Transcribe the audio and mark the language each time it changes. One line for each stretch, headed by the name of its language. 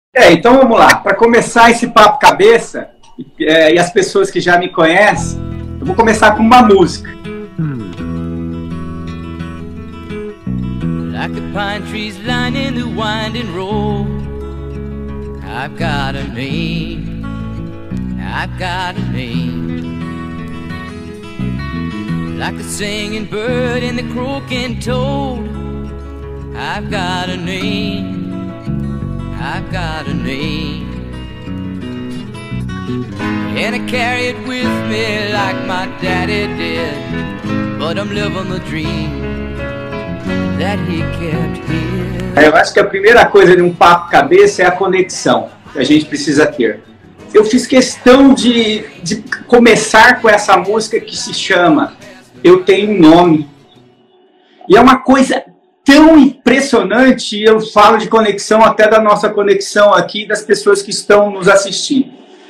Portuguese: Então vamos lá, para começar esse papo cabeça, e as pessoas que já me conhecem, eu vou começar com uma música.
English: Like the pine trees lining the winding road, I've got a name, I've got a name. Like the singing bird and the croaking toad, I've got a name, I've got a name. And I carry it with me like my daddy did, but I'm living the dream that he kept here.
Portuguese: Eu acho que a primeira coisa de um papo cabeça é a conexão que a gente precisa ter. Eu fiz questão de começar com essa música que se chama Eu Tenho Um Nome. E é uma coisa tão impressionante, eu falo de conexão até da nossa conexão aqui, das pessoas que estão nos assistindo.